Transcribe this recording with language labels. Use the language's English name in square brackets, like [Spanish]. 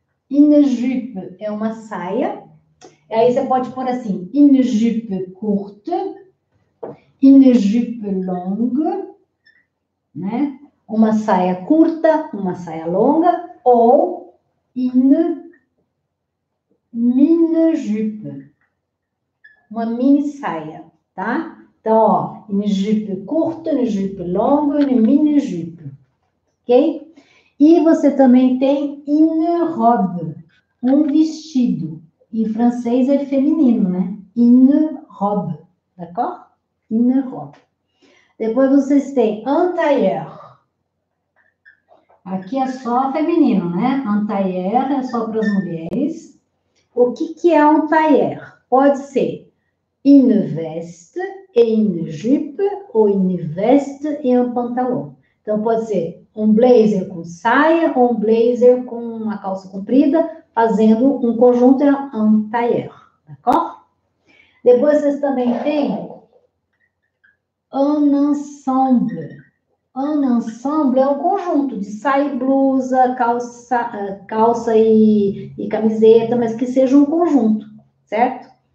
[Portuguese] Une jupe é uma saia. E aí você pode pôr assim: [French] une jupe courte, une jupe longue, [Portuguese] né? Uma saia curta, uma saia longa, ou une mini jupe, uma mini saia, tá? [French] Então, ó, une jupe courte, une jupe longue, une mini jupe, ok? [Portuguese] E você também tem une robe, um vestido. Em francês é feminino, né? Une robe, d'accord? Une robe. Depois vocês têm un tailleur. Aqui é só feminino, né? Un tailleur é só para as mulheres. O que, que é um tailleur? [French] Pode ser une veste et une jupe ou une veste et un pantalon. [Portuguese] Então pode ser um blazer com saia ou um blazer com uma calça comprida, fazendo um conjunto é un tailleur, d'accord? Depois vocês também têm un ensemble. Um ensemble é um conjunto de saia e blusa, calça e camiseta, mas que seja um conjunto, certo?